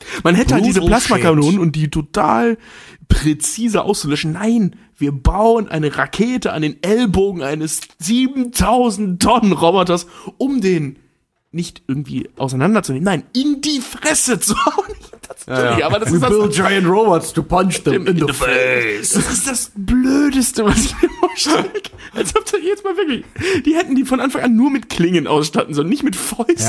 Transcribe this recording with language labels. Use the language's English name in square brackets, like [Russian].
[German] Man hätte halt diese Plasmakanonen und die total präzise auszulöschen. Nein, wir bauen eine Rakete an den Ellbogen eines 7000 Tonnen Roboters, um den nicht irgendwie auseinanderzunehmen. Nein, in die Fresse zu hauen. [English] Build giant robots to punch them in the face. [German] Das ist das Blödeste, was ich mir vorstelle. Als ob da jetzt mal wirklich, die hätten die von Anfang an nur mit Klingen ausstatten sollen, nicht mit Fäusten.